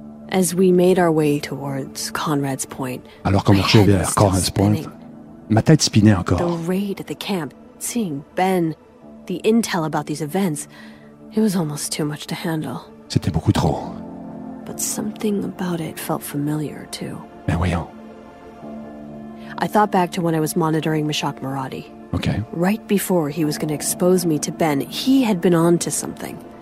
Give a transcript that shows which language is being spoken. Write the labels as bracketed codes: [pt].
[en] As we made our way towards Conrad's Point, [fr] alors qu'on marchait vers Conrad's Point, ma tête spinait encore. [en] The raid at the camp, seeing Ben... The intel about these events, it was almost too much to handle. [fr] C'était beaucoup trop. [en] But something about it felt familiar, too. [fr] Mais voyons. [en] I thought back to when I was monitoring Mashaq Maradi. Okay. Right before he was going to expose me to Ben, he had been on to something.